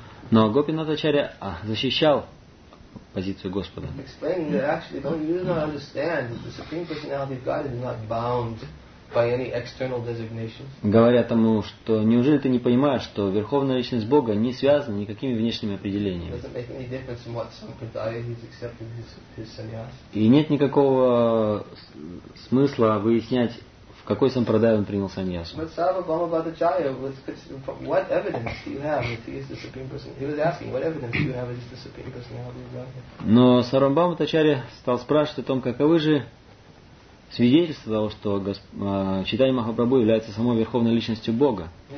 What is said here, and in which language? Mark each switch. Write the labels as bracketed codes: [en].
[ru] Но Гопинат Ачарья защищал позицию Господа. [en] Explaining that actually, don't you not understand that the Supreme Personality of God is not bound by any external designations? [ru] Говоря тому, что неужели ты не понимаешь, что Верховная Личность Бога не связана никакими внешними определениями? [en] It doesn't make any difference in what sampradaya he's accepted his sannyas. [ru] И нет никакого смысла выяснять, в какой сампрадае он принял саньясу. [en] But Sarvabhauma Bhattacharya was what evidence do you have that he is the Supreme Personality? He was asking, what evidence do you have that he is the Supreme Personality of God? [ru] Но Сарвабхаума Бхаттачари стал спрашивать о том, каковы же свидетельство того, что Чайтанья Махапрабху является самой Верховной Личностью Бога.